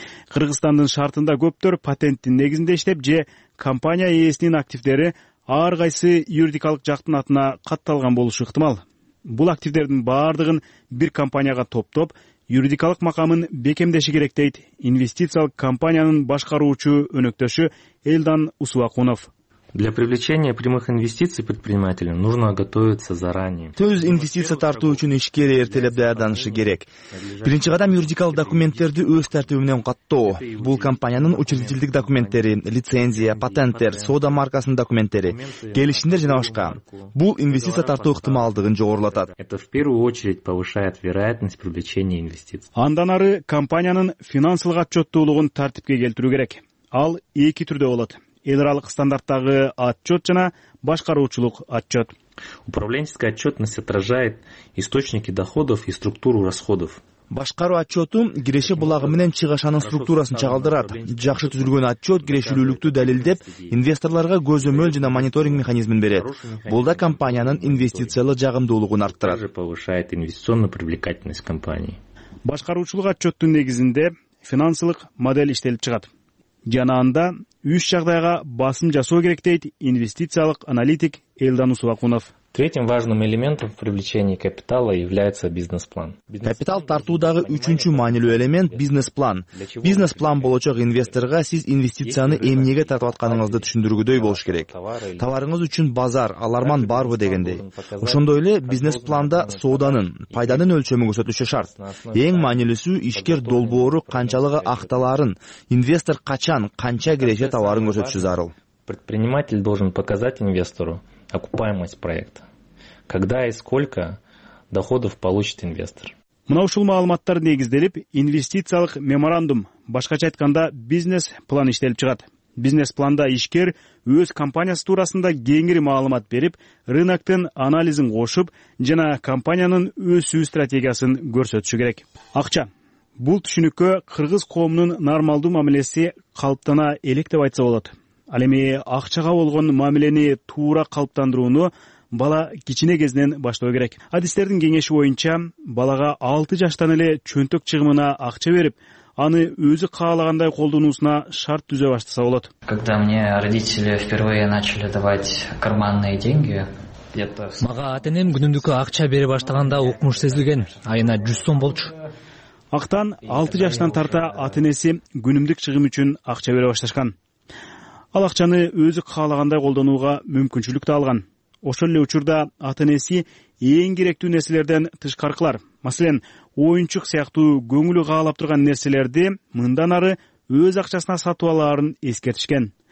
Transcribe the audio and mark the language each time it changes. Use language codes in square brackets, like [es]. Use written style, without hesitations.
[ky] Кыргызстандын шартында көптөр патенттин негизинде иштеп же компания ээсинин активдери ар кайсы юридикалык жактын атына катталган болушу ыктымал. Бул активдердин баардыгын бир компанияга топтоп, юридикалык макамын бекемдеши керек, дейт инвестициялык компаниянын башкаруучу өнөктөшү Элдан Усубакунов. [ru] Для привлечения прямых инвестиций предпринимателям нужно готовиться заранее. [ky] Төз инвестиция тартуу үчүн ишкер эртелеп даярданышы керек. Биринчи кадам юридикалык документтерди өз тартиби менен каттоо. Бул компаниянын учредительдик документтери, лицензия, патенттер, соода маркасынын документтери, келишимдер жана башка. Бул инвестиция тартуу ыктымалдыгын жогорулатат. [ru] Это в первую очередь повышает вероятность привлечения инвестиций. [ky] Андан ары компаниянын финансылык отчёттуулугун тартипке келтирүү керек. Ал эки түрдө болот. Эл аралык стандарттагы отчет жана башкаруучулук отчет. [ru] Управленческая отчетность отражает источники доходов и структуру расходов. [ky] Башкаруу отчету киреше булагы менен чыгашанын структурасын чагылдырат. Жакшы түзүлгөн отчет кирешүүлүктү далилдеп, инвесторлорго көзөмөл жана мониторинг механизмин берет. Бул да компаниянын инвестициялык жагымдуулугун арттырат. [ru] Повышает инвестиционную привлекательность компании. [ky] Башкаруучулук отчеттун негизинде финансылык модель иштелип чыгат. Жана анда үч жагдайга басым жасоо керек, дейт инвестициялык аналитик Элдан Усулакунов. [ru] Третьим важным элементом привлечения капитала является бизнес-план. [ky] Капитал тартуудагы үчүнчү маанилүү элемент бизнес-план. Бизнес-план болочок инвесторга сиз инвестицияны эмнеге тартып атканыңызды түшүндүргүдөй болуш керек. Товарыңыз үчүн базар, аларман барбы дегендей. Ошондой эле бизнес-планда сооданын, пайданын өлчөмү көрсөтүшү шарт. Эң маанилүүсү ишкер долбоору канчалыгы акталарын, инвестор качан, канча киреше товарын көрсөтүшү зарыл. [ru] Предприниматель должен показать инвестору окупаемость проекта. Когда и сколько доходов получит инвестор? [ky] Мына ушул маалыматтар негизделип, инвестициялык меморандум, башкача айтканда бизнес-план иштелип чыгат. Бизнес-планда ишкер өз компаниясы туурасында кеңири маалымат берип, рынктын анализин кошуп жана компаниянын өсүү стратегиясын көрсөтүшү керек. Акча. Бул түшүнүккө кыргыз коомунун нормалдуу мамилеси калыптана элек деп айтса болот. Ал эми акчага болгон мамилени туура калыптандырууну бала кичине кезинен баштоо керек. Адистердин кеңеши боюнча балага 6 жаштан эле чөнтөк чыгымына акча берип, аны өзү каалагандай колдонуусуна шарт түзө баштаса болот. [ru] Когда мне родители впервые начали давать карманные деньги, [ky] мага ата энем күнүмдүкү акча бере баштаганда укмуш сезилген, айына 100 сом болчу. Актан 6 жаштан тарта ата энеси күнүмдүк чыгым үчүн акча бере башташкан. Ал акчаны өзү каалагандай колдонууга мүмкүнчүлүк да алган. Ошол эле учурда ата-энеси эң керектүү нерселерден тышкаркылар, маселен, оюнчук сыяктуу көңүлү каалап турган нерселерди мындан ары өз акчасына сатып алаарын эскертишкен.